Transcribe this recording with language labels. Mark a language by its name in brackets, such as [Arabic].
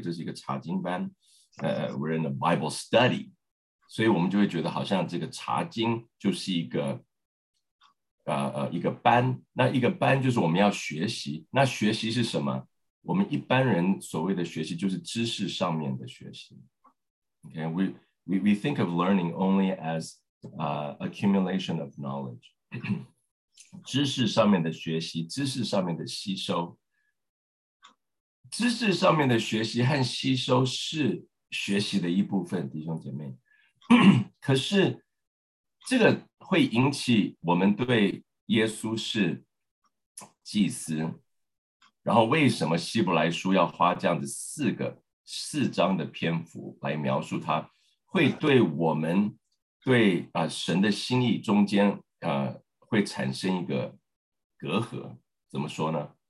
[Chinese] 这是一个查经班， [English] we're in a Bible study， [Chinese] 所以我们就会觉得好像这个查经就是一个，一个班。那一个班就是我们要学习。那学习是什么？我们一般人所谓的学习就是知识上面的学习。 [English] Okay, we think of learning only as accumulation of knowledge. [Chinese] 知识上面的学习，知识上面的吸收，知识上面的学习和吸收是学习的一部分，弟兄姐妹。可是这个会引起我们对耶稣是祭司，然后为什么希伯来书要花这样的四章的篇幅来描述他，会对我们对神的心意中间会产生一个隔阂。怎么说呢？